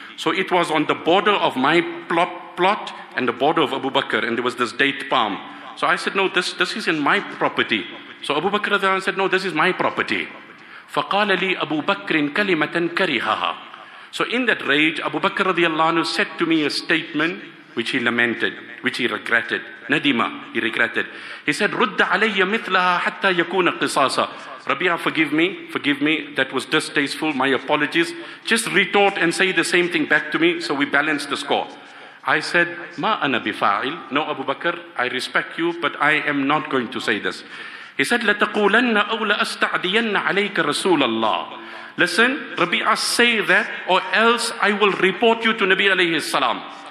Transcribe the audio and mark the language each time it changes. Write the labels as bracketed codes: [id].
[en] So it was on the border of my plot and the border of Abu Bakr, and there was this date palm. So I said, no, this is in my property. So Abu Bakr said, no, this is my property. [ar] فَقَالَ لِي أَبُو بَكْرٍ كَلِمَةً كَرِهَهَا. [en] So in that rage, Abu Bakr radiallahu anhu said to me a statement which he lamented, which he regretted. Nadima, he regretted. He said, [ar] رُدَّ عَلَيَّ مِثْلَهَا حَتَّى يَكُونَ قِصَاصًا. [en] Rabia, forgive me, that was distasteful, my apologies. Just retort and say the same thing back to me, so we balance the score. I said, [ar] مَا أَنَا بِفَاعِلْ. [en] No, Abu Bakr, I respect you, but I am not going to say this. He said, [ar] لَتَقُولَنَّ أَوْ لَأَسْتَعْدِيَنَّ عَلَيْكَ رَسُولَ اللَّهِ. [en] Listen, Rabi'a, say that, or else I will report you to Nabi alayhi salam.